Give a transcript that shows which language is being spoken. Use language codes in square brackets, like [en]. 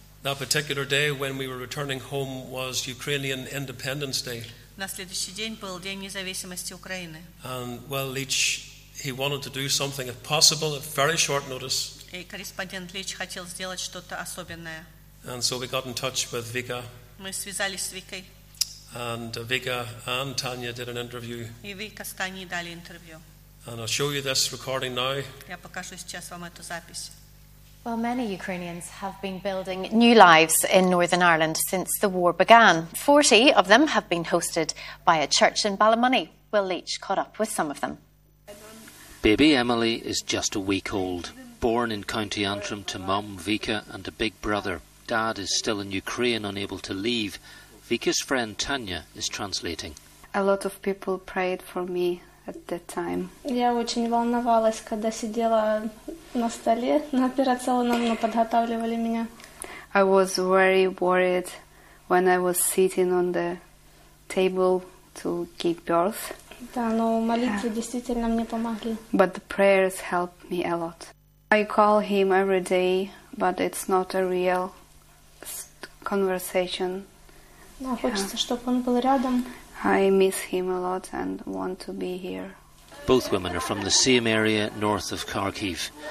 [en] That particular day when we were returning home was Ukrainian Independence Day. [ru] На следующий день был День независимости Украины. [en] And well, Leach, he wanted to do something if possible at very short notice. [ru] И корреспондент Лич хотел сделать что-то особенное. [en] And so we got in touch with Vika. [ru] Мы связались с Викой. [en] And Vika and Tanya did an interview. [ru] И Вика с Таней дали интервью. [en] And I'll show you this recording now. [ru] Я покажу сейчас вам эту запись. [en] Well, many Ukrainians have been building new lives in Northern Ireland since the war began. 40 of them have been hosted by a church in Ballymoney. Will Leach caught up with some of them. Baby Emily is just a week old. Born in County Antrim to mum, Vika, and a big brother. Dad is still in Ukraine, unable to leave. Vika's friend Tanya is translating. A lot of people prayed for me at that time. [ru] Я очень волновалась, когда сидела на столе, на операционном, но подготавливали меня. [en] I was very worried when I was sitting on the table to give birth. [ru] Да, но молитвы действительно мне помогли. [en] But the prayers helped me a lot. I call him every day, but it's not a real conversation. [ru] Да, хочется, yeah. Чтобы он был рядом. [en] I miss him a lot and want to be here. Both women are from the same area north of Kharkiv.